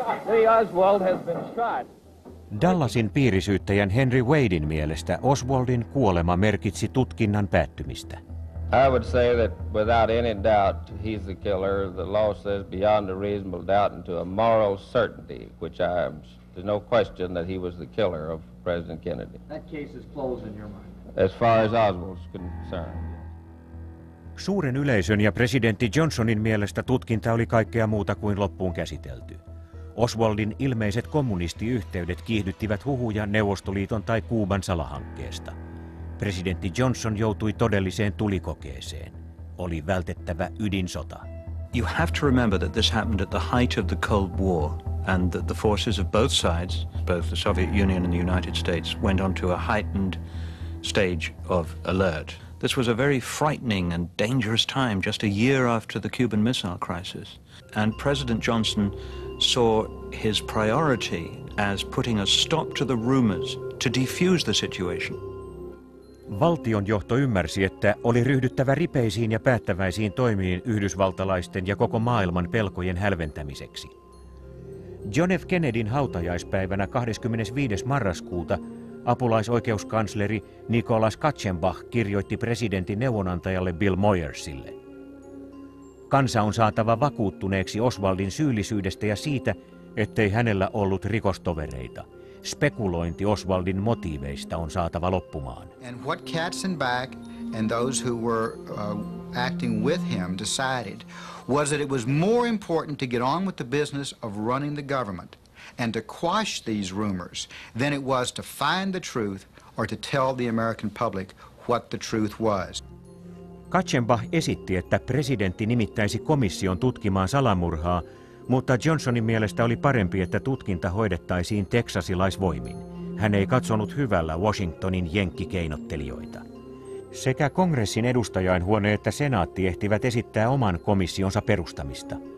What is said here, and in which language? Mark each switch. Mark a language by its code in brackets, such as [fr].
[en] Lee Oswald has been shot. [fi] Dallasin piirisyyttäjän Henry Wadein mielestä Oswaldin kuolema merkitsi tutkinnan päättymistä. [en] I would say that without any doubt he's the killer. The law says beyond a reasonable doubt and to a moral certainty, which I am. There's no question that he was the killer of President Kennedy. That case is closed in your mind. As far as Oswald's concerned. [fi] Suuren yleisön ja presidentti Johnsonin mielestä tutkinta oli kaikkea muuta kuin loppuun käsitelty. Oswaldin ilmeiset kommunistiyhteydet kiihdyttivät huhuja Neuvostoliiton tai Kuuban salahankkeesta. Presidentti Johnson joutui todelliseen tulikokeeseen. Oli vältettävä ydinsota. [en] You have to remember that this happened at the height of the Cold War and that the forces of both sides, both the Soviet Union and the United States, went on to a heightened stage of alert. This was a very frightening and dangerous time, just a year after the Cuban Missile Crisis. And President Johnson saw his priority as putting a stop to the rumors to defuse the situation. [fi] Valtionjohto ymmärsi, että oli ryhdyttävä ripeisiin ja päättäväisiin toimiin yhdysvaltalaisten ja koko maailman pelkojen hälventämiseksi. John F. Kennedyn hautajaispäivänä 25. marraskuuta apulaisoikeuskansleri Nicholas Katzenbach kirjoitti presidentin neuvonantajalle Bill Moyersille. Kansa on saatava vakuuttuneeksi Oswaldin syyllisyydestä ja siitä, ettei hänellä ollut rikostovereita. Spekulointi Oswaldin motiiveista on saatava loppumaan. [en] And what Katzenbach and those who were acting with him decided was that it was more important to get on with the business of running the government and to quash these rumors than it was to find the truth or to tell the American public what the truth was. [fi] Katzenbach esitti, että presidentti nimittäisi komission tutkimaan salamurhaa, mutta Johnsonin mielestä oli parempi, että tutkinta hoidettaisiin teksasilaisvoimin. Hän ei katsonut hyvällä Washingtonin jenkkikeinottelijoita. Sekä kongressin edustajainhuone että senaatti ehtivät esittää oman komissionsa perustamista.